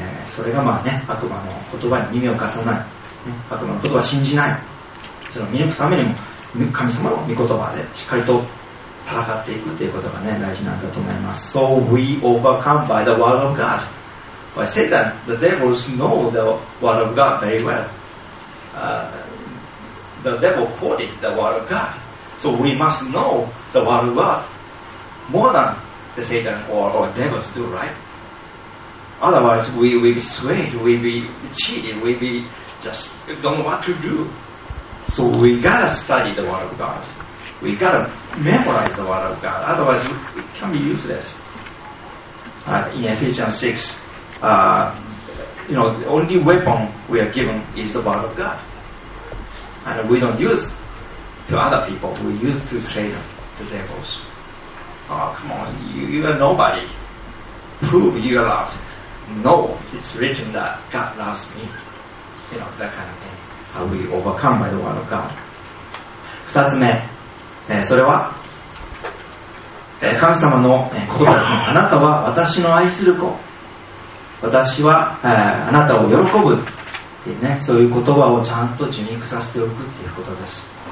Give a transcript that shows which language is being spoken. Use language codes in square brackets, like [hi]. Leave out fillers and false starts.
[ja] それがまあね、悪魔の言葉に耳を貸さない。悪魔の言葉を信じない。その見抜くためにも、神様の御言葉でしっかりと戦っていくということがね、大事なんだと思います。 [en] So we overcome by the word of God. I say that the devils know the word of God very well. The devil quoted the word of God. So we must know the word of God more than the Satan or devils do, right? Otherwise, we will be swayed, we will be cheated, we will just don't know what to do. So we gotta study the word of God. We gotta memorize the word of God. Otherwise, it can be useless. In Ephesians 6,the only weapon we are given is the word of God, and we don't use to other people. We use to Satan, the devils. Oh, come on, you are nobody. Prove you are loved. No, it's written that God loves me. You know that kind of thing. Are we overcome by the word of God? [ja] 二つ目、それは神様のことですね。あなたは私の愛する子。私は、あなたを喜ぶっていうね、そういう言葉をちゃんと受肉させておくっていうことです。